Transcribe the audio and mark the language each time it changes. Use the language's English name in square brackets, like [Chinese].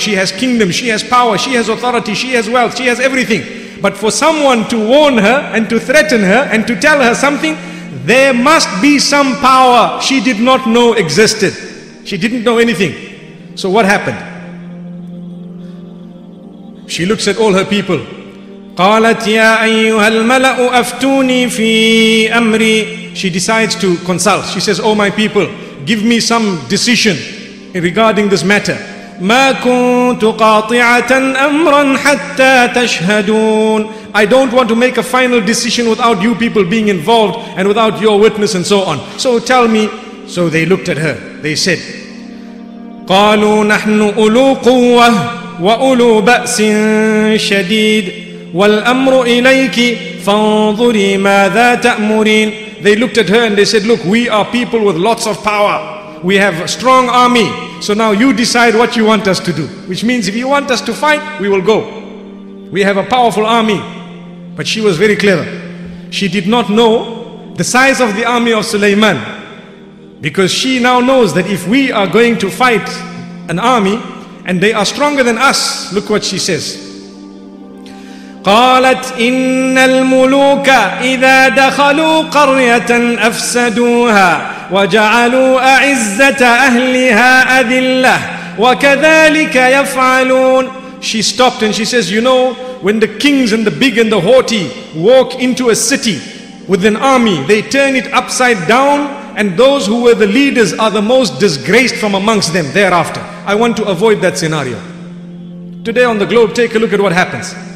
[English] She has kingdom, she has power, she has authority, she has wealth, she has everything. But for someone to warn her and to threaten her and to tell her something, there must be some power she did not know existed. She didn't know anything. So what happened? She looks at all her people. [Arabic] قالت يا أيها الملأ أفتوني في أمري. [English] She decides to consult. She says, oh my people, give me some decision regarding this matter. [Arabic] ما كنت قاطعة أمرا حتى تشهدون. [English] I don't want to make a final decision without you people being involved and without your witness and so on. So tell me. So they looked at her. They said, [Arabic] قالوا نحن أولو قوة وأولو بأس شديد والأمر إليك فانظري ماذا تأمرين. [English] They looked at her and they said, look, we are people with lots of power. We have a strong army. So now you decide what you want us to do. Which means if you want us to fight, we will go. We have a powerful army. But she was very clever. She did not know the size of the army of Suleiman. Because she now knows that if we are going to fight an army and they are stronger than us, look what she says. [Arabic] قالت إن الملوك إذا دخلوا قرية أفسدوها وجعلوا أعزة أهلها أذلة وكذلك يفعلون. [English] She stopped and she says, you know, when the kings and the big and the haughty walk into a city with an army, they turn it upside down, and those who were the leaders are the most disgraced from amongst them thereafter. I want to avoid that scenario. Today on the globe, take a look at what happens.